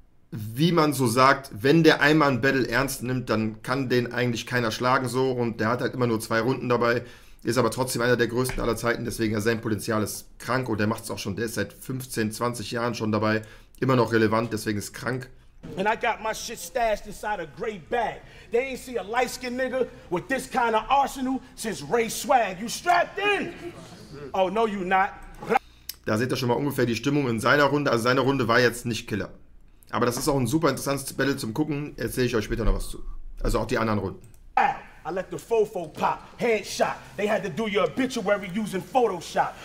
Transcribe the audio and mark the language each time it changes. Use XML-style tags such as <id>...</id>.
<de>Wie man so sagt, wenn der einmal ein Battle ernst nimmt, dann kann den eigentlich keiner schlagen so. Und der hat halt immer nur 2 Runden dabei, ist aber trotzdem einer der größten aller Zeiten. Deswegen, ja, sein Potenzial ist krank und der macht es auch schon. Der ist seit 15, 20 Jahren schon dabei, immer noch relevant, deswegen ist krank.</de> <en>And I got my shit stashed inside a gray bag. They ain't see a light-skinned nigga with this kind of arsenal since Ray Swag. You strapped in? Oh, no, you not.</en> <de>Da seht ihr schon mal ungefähr die Stimmung in seiner Runde. Also seine Runde war jetzt nicht Killer. Aber das ist auch ein super interessantes Battle zum Gucken. Erzähle ich euch später noch was zu. Also auch die anderen Runden.</de> <en>I let the fofo pop, headshot. They had to do your obituary using Photoshop.</en>